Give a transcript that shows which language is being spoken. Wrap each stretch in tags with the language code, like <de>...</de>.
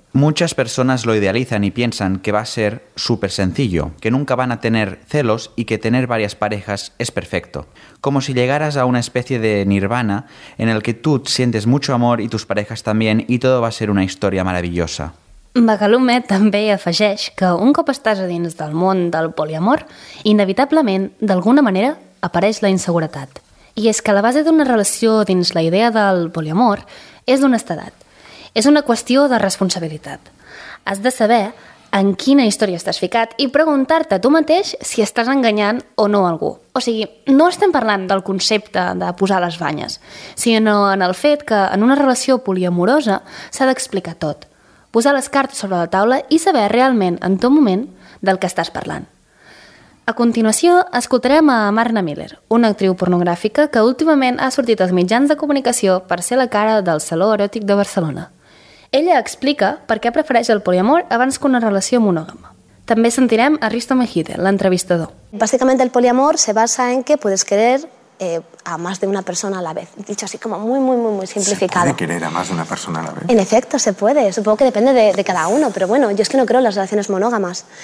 <es>Muchas personas lo idealizan y piensan que va a ser súper sencillo, que nunca van a tener celos y que tener varias parejas es perfecto. Como si llegaras a una especie de nirvana en el que tú sientes mucho amor y tus parejas también y todo va a ser una historia maravillosa.</es> <ca>Bagalume també afegeix que un cop estàs a dins del món del poliamor, inevitablement, d'alguna manera, apareix la inseguretat. I és que la base d'una relació dins la idea del poliamor és d'honestedat. És una qüestió de responsabilitat. Has de saber en quina història estàs ficat i preguntar-te tu mateix si estàs enganyant o no algú. O sigui, no estem parlant del concepte de posar les banyes, sinó en el fet que en una relació poliamorosa s'ha d'explicar tot, posar les cartes sobre la taula i saber realment, en tot moment, del que estàs parlant. A continuació, escoltarem a Marna Miller, una actriu pornogràfica que últimament ha sortit als mitjans de comunicació per ser la cara del Saló Eròtic de Barcelona. Ella explica per què prefereix el poliamor abans que una relació monògama. També sentirem a Risto Mejide, l'entrevistador. Bàsicament,</ca> <es>el poliamor se basa en que puedes querer a más de una persona a la vez. Dicho así como muy, muy, muy, muy simplificado. ¿Se puede querer a más de una persona a la vez? En efecto, se puede. Supongo que depende de cada uno. Pero bueno, yo es que no creo en las relaciones monógamas.</es>